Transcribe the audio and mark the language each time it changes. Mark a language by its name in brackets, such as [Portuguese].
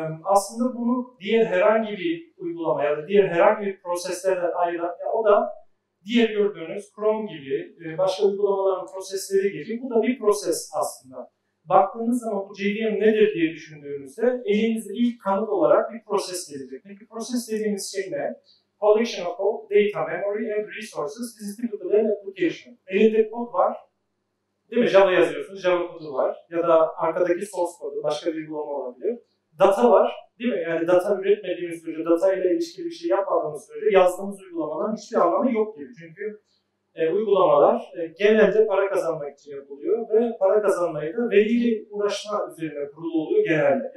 [Turkish] Aslında bunu diğer herhangi bir uygulama ya da diğer herhangi bir proseslerden ayıran ya o da diğer gördüğünüz Chrome gibi başka uygulamaların prosesleri gibi bu da bir proses aslında. Baktığınız zaman bu JVM nedir diye düşündüğünüzde elinizde ilk kanıt olarak bir proses gelecek. Peki proses dediğimiz şey ne? [English] Collection of all data, memory and resources visited to an application. [Turkish] Elinde kod var. Değil mi? Java yazıyorsunuz, Java kodu var. Ya da arkadaki source kodu, başka bir uygulama olabilir. Data var, değil mi? Yani data üretmediğimiz sürece, data ile ilişkili bir şey yapmadığımız sürece yazdığımız uygulamadan hiçbir anlamı yok gibi. Çünkü uygulamalar genelde para kazanmak için yapılıyor ve para kazanmayı da veriyle uğraşma üzerine kurulu oluyor genelde.